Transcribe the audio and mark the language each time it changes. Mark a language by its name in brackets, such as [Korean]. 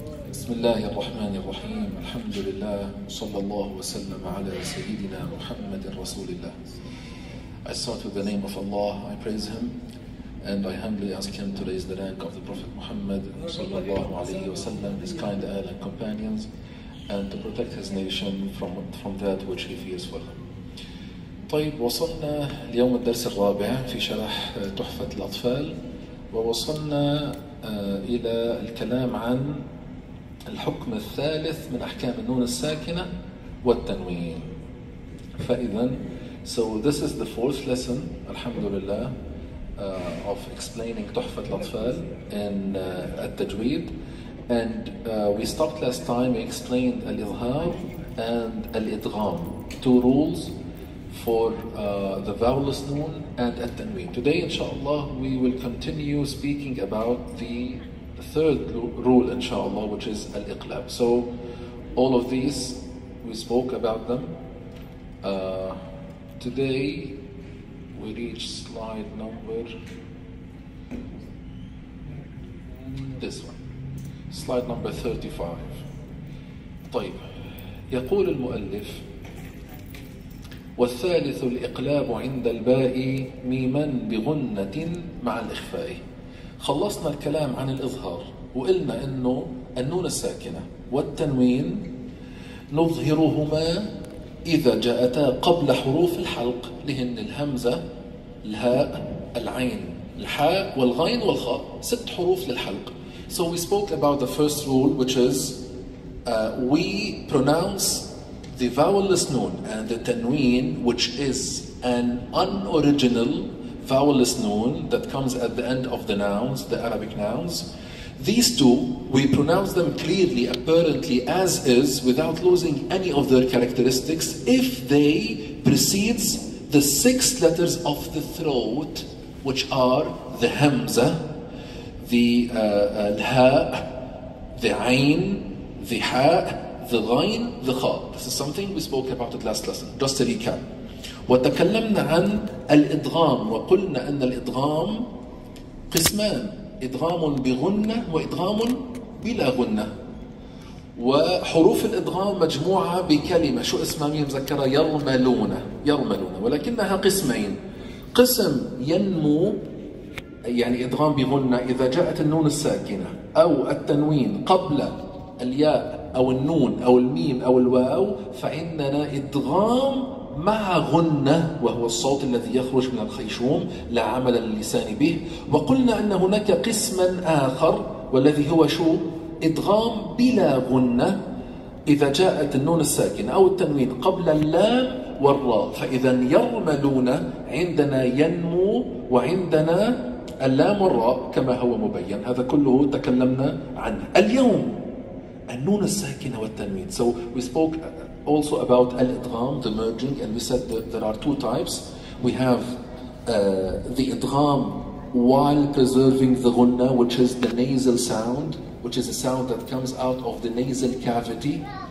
[Arabic] بسم الله الرحمن الرحيم، الحمد لله، صلى الله وسلم على سيدنا محمد رسول الله. [English] I start with the name of Allah, I praise him, and I humbly ask him to raise the rank of the Prophet Muhammad [Arabic] صلى الله عليه وسلم, [English] his kind ally and companions, and to protect his nation from that which he fears for him. [Arabic] طيب، وصلنا اليوم الدرس الرابع في شرح تحفة الأطفال، ووصلنا إلى الكلام عن الحكم الثالث من أحكام النون الساكنة والتنوين. [English] فإذا so this is the fourth lesson, alhamdulillah, of explaining تحفة الأطفال in التجويد. And we stopped last time, we explained الإظهار and الإدغام, two rules for the vowelless noon and التنوين. Today, inshallah, we will continue speaking about the third rule, inshallah, which is الإقلاب. So all of these, we spoke about them. Today, we reach slide number, this one. Slide number 35. [Arabic] طيب، يقول المؤلف: والثالث الإقلاب عند الباء ميما بغنة مع الإخفاء. خلصنا الكلام عن الإظهار وقلنا إنه النون الساكنة والتنوين نظهرهما إذا جاءتا قبل حروف الحلق، لهن الهمزة، الهاء، العين، الحاء، والغين، والخاء، ست حروف للحلق. [English] So we spoke about the first rule, which is we pronounce the vowelless noon and the tanween, which is an unoriginal vowelless noon that comes at the end of the nouns, the Arabic nouns. These two, we pronounce them clearly, apparently, as is, without losing any of their characteristics, if they precedes the six letters of the throat, which are the hamza, the الهاء, the عين, the حاء, the غين, the خاء. This is something we spoke about it last lesson. Just to recap. [Arabic] وتكلمنا عن الإدغام وقلنا أن الإدغام قسمان: إدغام بغنة وإدغام بلا غنة. وحروف الإدغام مجموعة بكلمة، شو اسمها مين مذكرة؟ يرملون، يرملون، ولكنها قسمين. قسم ينمو، يعني إدغام بغنة، إذا جاءت النون الساكنة أو التنوين قبل الياء أو النون أو الميم أو الواو، فإننا إدغام مع غنة، وهو الصوت الذي يخرج من الخيشوم لا عمل اللسان به. وقلنا أن هناك قسما آخر، والذي هو شو؟ إدغام بلا غنة، إذا جاءت النون الساكنة أو التنوين قبل اللام والراء. فإذا يرملون عندنا ينمو وعندنا اللام والراء كما هو مبين. هذا كله تكلمنا عنه. اليوم النون الساكنة والتنوين. [English] So we spoke also about الإدغام, the merging, and we said that there are two types. We have the إدغام while preserving the غنة, which is the nasal sound, which is a sound that comes out of the nasal cavity.